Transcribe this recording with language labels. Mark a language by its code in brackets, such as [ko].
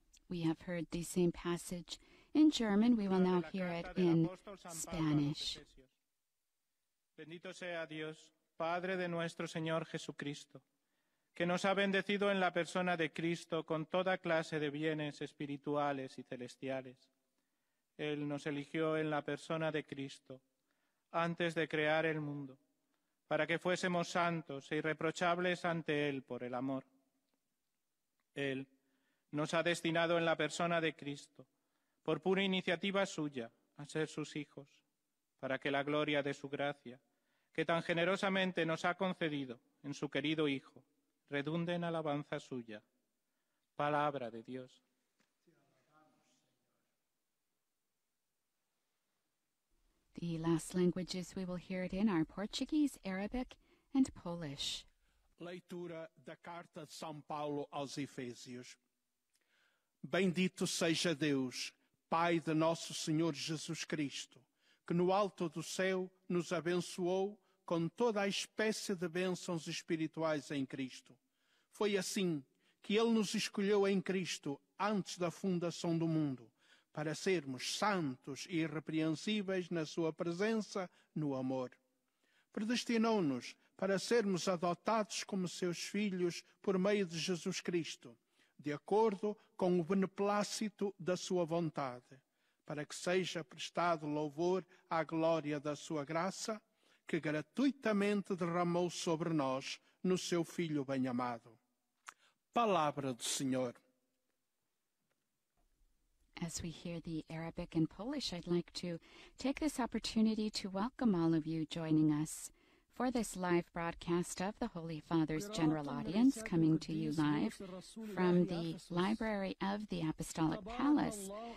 [en] We have heard the same passage in German. We will now hear it in Spanish. [es] Bendito sea Dios, Padre de nuestro Señor Jesucristo, que nos ha bendecido en la persona de Cristo con toda clase de bienes espirituales y celestiales. Él nos eligió en la persona de Cristo antes de crear el mundo, para que fuésemos santos e irreprochables ante Él por el amor. Él nos ha destinado en la persona de Cristo, por pura iniciativa suya, a ser sus hijos, para que la gloria de su gracia, que tan generosamente nos ha concedido en su querido Hijo, redunde en alabanza suya. Palabra de Dios. [en] The last languages we will hear it in are Portuguese, Arabic, and Polish. [pt] Leitura da Carta de São Paulo aos Efésios. Bendito seja Deus, Pai de nosso Senhor Jesus Cristo, que no alto do céu nos abençoou com toda a espécie de bênçãos espirituais em Cristo. Foi assim que Ele nos escolheu em Cristo antes da fundação do mundo, para sermos santos e irrepreensíveis na sua presença no amor. Predestinou-nos para sermos adotados como seus filhos por meio de Jesus Cristo, de acordo com o beneplácito da sua vontade, para que seja prestado louvor à glória da sua graça, que gratuitamente derramou sobre nós no seu Filho bem-amado. Palavra do Senhor. [en] As we hear the Arabic and Polish, I'd like to take this opportunity to welcome all of you joining us for this live broadcast of the Holy Father's General Audience, coming to you live from the Library of the Apostolic Palace.